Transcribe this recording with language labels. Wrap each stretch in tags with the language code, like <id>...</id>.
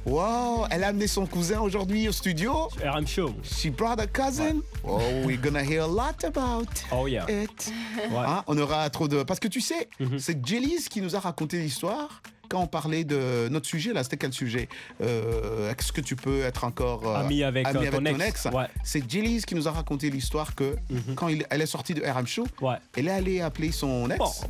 <fr>Wow, elle a amené son cousin aujourd'hui au studio.</fr> <en>I'm sure. She brought a cousin. Oh, we're going to hear a lot about it.</en> <fr>Ouais. Hein? On aura trop de. Parce que tu sais, c'est Jellys qui nous a raconté l'histoire quand on parlait de notre sujet là. C'était quel sujet? Est-ce que tu peux être encore ami avec ton ex? Ouais. C'est Jellys qui nous a raconté l'histoire que quand elle est sortie de RM Show, elle est allée appeler son ex.</fr>